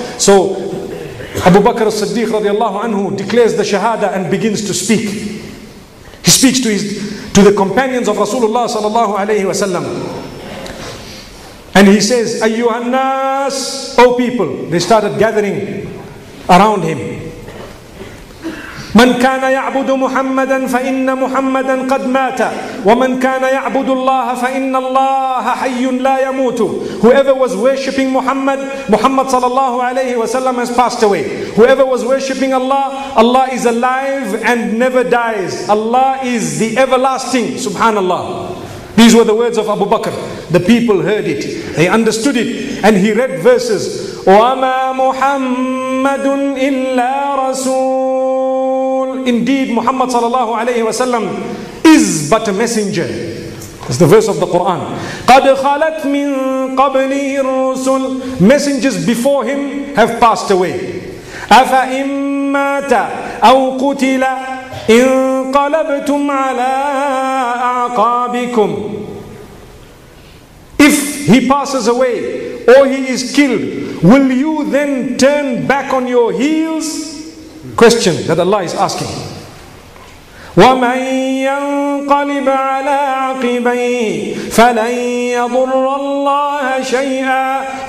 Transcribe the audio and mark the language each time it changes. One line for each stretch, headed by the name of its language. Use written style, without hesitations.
English: So Abu Bakr as-Siddiq radiallahu anhu declares the shahada and begins to speak. He speaks to the companions of Rasulullah sallallahu alaihi wasallam. And he says, ayyuhan nas, O people, they started gathering around him.
Arabic: من كان يعبد محمدا فإن محمدا قد مات ومن كان يعبد الله فإن الله حي لا يموت.
English: Whoever was worshipping Muhammad sallallahu alayhi wa sallam has passed away. Whoever was worshipping Allah, Allah is alive and never dies. Allah is the everlasting. Subhanallah. These were the words of Abu Bakr. The people heard it. They understood it. And he read verses.
Arabic: وما محمد إلا رسول.
English: Indeed, Muhammad sallallahu alayhi wa sallam is but a messenger. It's the verse of the Quran.
Arabic: قد خلت من قبله الرسل.
English: Messengers before him have passed away.
Arabic: أفإن مات أو قتل انقلبتم على أعقابكم.
English: If he passes away or he is killed, will you then turn back on your heels? Question that Allah is asking.
Arabic: وَمَنْ يَنْقَلِبْ عَلَىٰ عَقِبَيْهِ فَلَنْ يَضُرَّ اللَّهَ شَيْئًا.